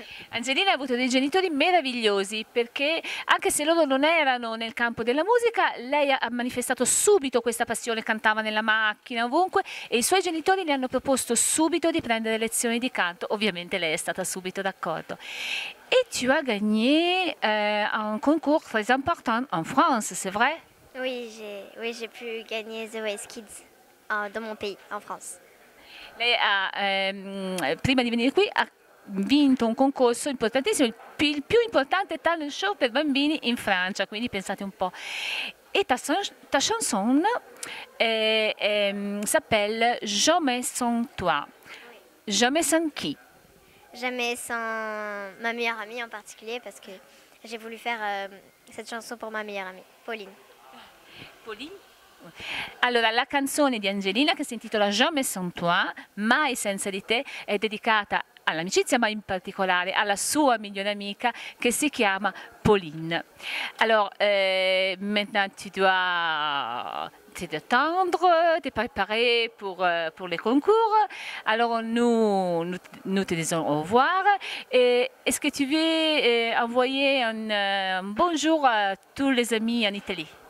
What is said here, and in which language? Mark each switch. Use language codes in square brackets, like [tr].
[it] Angelina ha avuto dei genitori meravigliosi perché anche se loro non erano nel campo della musica, lei ha manifestato subito questa passione, cantava nella macchina, ovunque, e i suoi genitori le hanno proposto subito di prendere lezioni di canto. Ovviamente lei è stata subito d'accordo. [fr] E tu as gagné un concours très important en France, c'est vrai? Oui, j'ai pu gagner The Voice Kids dans mon pays, en France. [it] Lei ha, prima di venire qui, ha vinto un concorso importantissimo, il più importante talent show per bambini in Francia, quindi pensate un po'. [fr] E ta chanson s'appelle Jamais sans toi. Jamais sans qui? Jamais sans ma meilleure amie en particulier, parce que j'ai voulu faire cette chanson pour ma meilleure amie, Pauline. Pauline? [it] Allora, la canzone di Angelina, che si intitola Jamais sans toi, mai senza di te, è dedicata all'amicizia, ma in particolare alla sua migliore amica che si chiama Pauline. [fr] Allora, maintenant tu dois attendre, te préparer pour les concours. Alors nous te disons au revoir. Et est-ce que tu veux envoyer un bonjour à tous les amis en Italie?